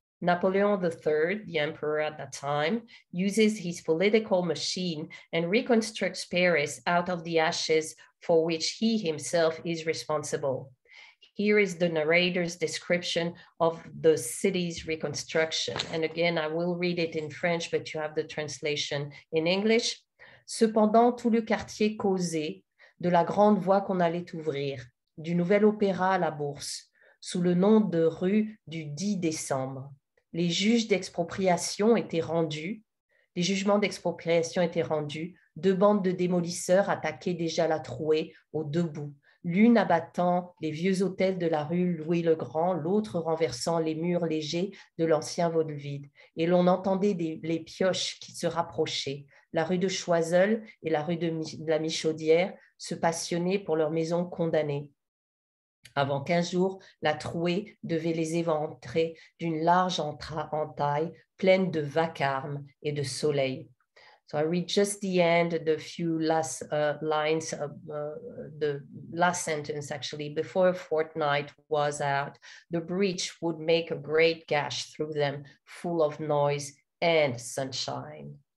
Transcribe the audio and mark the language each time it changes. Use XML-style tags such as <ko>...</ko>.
<en>Napoleon III, the emperor at that time, uses his political machine and reconstructs Paris out of the ashes for which he himself is responsible. Here is the narrator's description of the city's reconstruction. And again, I will read it in French, but you have the translation in English.</en> <fr>Cependant, tout le quartier causait de la grande voie qu'on allait ouvrir, du nouvel opéra à la bourse, sous le nom de rue du 10 décembre. Les juges d'expropriation étaient rendus, les jugements d'expropriation étaient rendus, deux bandes de démolisseurs attaquaient déjà la trouée aux deux bouts, l'une abattant les vieux hôtels de la rue Louis-le-Grand, l'autre renversant les murs légers de l'ancien vaudeville. Et l'on entendait les pioches qui se rapprochaient. La rue de Choiseul et la rue de la Michaudière se passionnaient pour leurs maisons condamnées. Avant 15 jours, la trouée devait les éventrer d'une large entaille pleine de vacarme et de soleil.</fr> <en>So I read just the end, the few last lines, the last sentence actually, before a fortnight was out, the breach would make a great gash through them, full of noise and sunshine.</en>